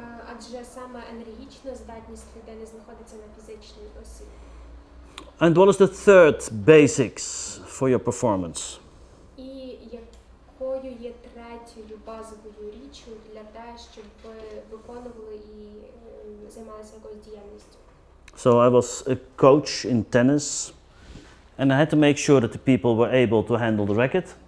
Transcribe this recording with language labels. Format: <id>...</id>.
<uk>Адже саме енергетична здатність людини знаходиться на фізичній осі.</uk> <en>And what is the third basics for your performance?</en> <uk>І якою є третьою базовою річчю для те, щоб ви виконували і займалися якоюсь діяльністю?</uk> <en>So I was a coach in tennis and I had to make sure that the people were able to handle the racket.</en>